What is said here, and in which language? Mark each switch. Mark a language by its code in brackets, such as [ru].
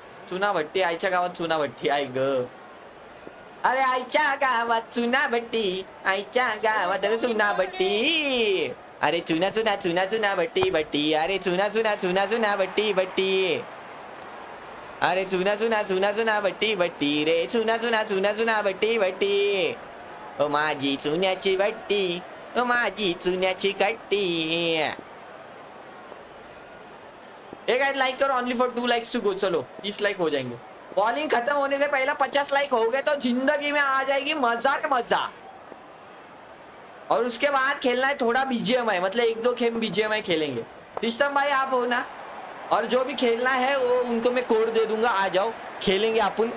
[mr] चुना भट्टी आईच्या गावात चुना भट्टी आहे ग. अरे आईच्या गावात चुना भट्टी, आईच्या गावात चुना भट्टी, अरे चुना चुना चुना चुना भट्टी भट्टी, अरे चुना चुना चुना चुना भट्टी भट्टी, अरे चुना चुना चुना चुना भट्टी भट्टी, रे चुना चुना चुना चुना भट्टी भट्टी. ओ माझी चुन्याची भट्टी, ओ माझी चुन्याची कट्टी. [hi] हे गाइस लाइक करो, [en] only for 2 likes to go, [hi] चलो 30 लाइक हो जाएंगे. बॉलिंग खत्म होने से पहले 50 लाइक हो गए तो जिंदगी में आ जाएगी मजा के मजा. और उसके बाद खेलना है थोड़ा बीजीएमआई, मतलब एक दो खेम बीजीएमआई खेलेंगे. सिस्टम भाई आप हो ना, और जो भी खेलना है वो उनको मैं कोड दे दूंगा, आ जाओ खेलेंगे अपन.